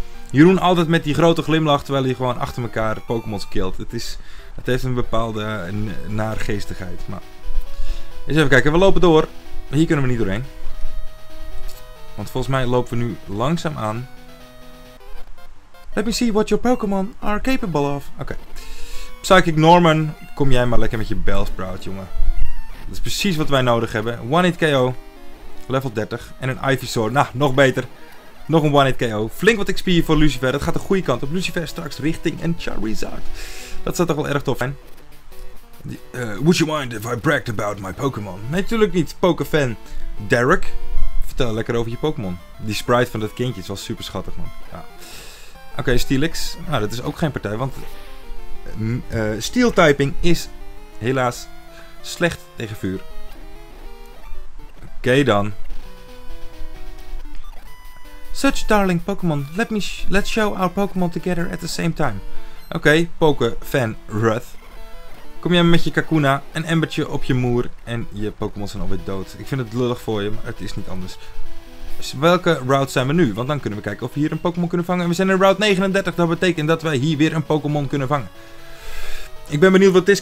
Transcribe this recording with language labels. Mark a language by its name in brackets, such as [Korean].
[Dutch] Jeroen altijd met die grote glimlach, terwijl hij gewoon achter elkaar Pokémon's killt. Het heeft een bepaalde naargeestigheid. Maar eens even kijken, we lopen door. Hier kunnen we niet doorheen. Want volgens mij lopen we nu langzaam aan. [English] Let me see what your Pokémon are capable of. [Dutch] Oké. Okay. Psychic Norman, kom jij maar lekker met je Bellsprout, jongen. Dat is precies wat wij nodig hebben. 1-hit KO, level 30. En een Ivysaur, nou, nog beter. Nog een 1-hit KO. Flink wat XP voor Lucifer. Dat gaat de goede kant op. Lucifer straks richting een Charizard. Dat zou toch wel erg tof zijn. [English] Would you mind if I bragged about my Pokémon? [Dutch] Nee, natuurlijk niet. Pokéfan Derek. Vertel lekker over je Pokémon. Die sprite van dat kindje is wel super schattig, man. Ja. Oké, okay, Steelix. Nou, dat is ook geen partij, want Steel-typing is helaas slecht tegen vuur. Oké, dan. [English] Such darling Pokémon, let's show our Pokémon together at the same time. [Dutch] Oké, okay, Pokéfan Ruth. Kom jij met je Kakuna, een embertje op je moer en je Pokémon zijn alweer dood. Ik vind het lullig voor je, maar het is niet anders. Dus welke route zijn we nu? Want dan kunnen we kijken of we hier een Pokémon kunnen vangen. En we zijn in route 39, dat betekent dat wij hier weer een Pokémon kunnen vangen. Ik ben benieuwd wat het is.